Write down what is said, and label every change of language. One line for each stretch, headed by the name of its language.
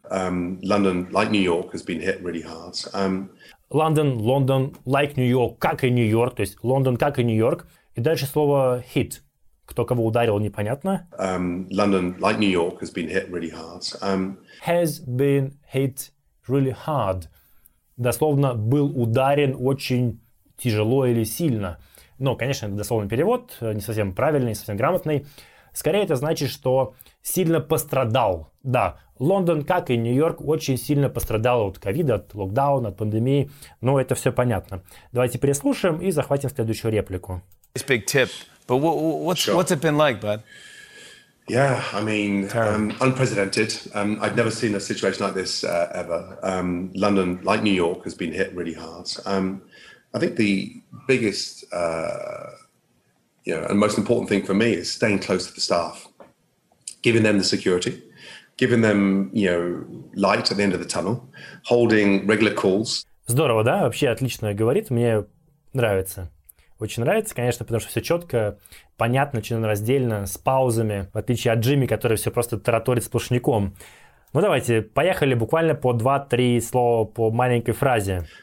English: London, like New York, has been hit really hard. London, London, like New York,
Russian: как и Нью-Йорк, то есть London, как и Нью-Йорк. И дальше слово hit, кто кого ударил, непонятно.
English: London, like New York, has been hit really hard. Has been hit really hard.
Russian: Дословно, был ударен очень тяжело или сильно. Но, конечно, это дословный перевод, не совсем правильный, не совсем грамотный. Скорее, это значит, что сильно пострадал. Да, Лондон, как и Нью-Йорк, очень сильно пострадал от ковида, от локдауна, от пандемии. Но это все понятно. Давайте переслушаем и захватим следующую реплику.
English: It's a big tip, but what's it been like, bud? Yeah, I mean, unprecedented. I've never seen a situation like this ever. London, like New York, has been hit really hard. I think the biggest, and most important thing for me is staying close to the staff, giving them the security, giving them, you know, light at the end of the tunnel, holding regular calls.
Russian: Здорово, да? Вообще отлично говорит. Мне нравится. Очень нравится, конечно, потому что все четко, понятно, членораздельно, с паузами, в отличие от Джимми, который все просто тараторит сплошняком. Ну давайте, поехали буквально по 2-3 слова по маленькой фразе.